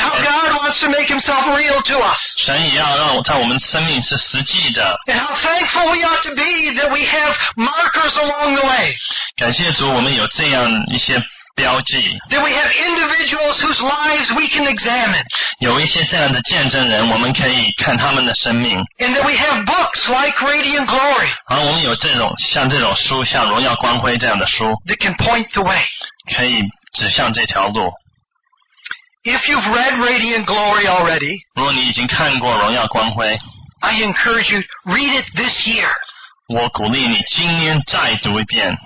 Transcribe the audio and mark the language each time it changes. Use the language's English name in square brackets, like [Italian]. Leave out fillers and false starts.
[English] And how God wants to make himself real to us. [Chinese] 神也要让在我们生命是实际的。 [English] And how thankful we ought to be that we have markers along the way. [Chinese] 感谢主我们有这样一些标记。 [English] That we have individuals whose lives we can examine. [Chinese] 有一些这样的见证人我们可以看他们的生命。 [English] And that we have books like Radiant Glory. [Chinese] 然后我们有这种像这种书像荣耀光辉这样的书。 [English] That can point the way. [Chinese] 可以指向这条路。 [English] If you've read Radiant Glory already, [Chinese] 如果你已经看过荣耀光辉, [English] I encourage you, read it this year. [Chinese] 我鼓励你今天再读一遍。